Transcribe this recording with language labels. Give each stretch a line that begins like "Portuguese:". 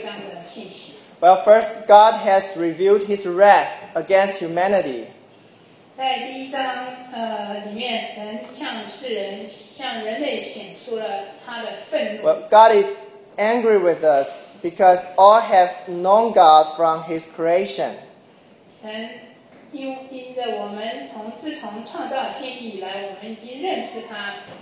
Chinese: 在我们进入我们今天讲章之前，请大家回顾一下罗马书一章到第六章的信息。
English: Well, first, God has revealed His wrath against humanity.
Chinese: 在第一章里面，神向人类显出了他的愤怒。
English: Well, God is angry with us because all have known God from His creation.
Chinese: 神因着我们从自从创造天地以来，我们已经认识他。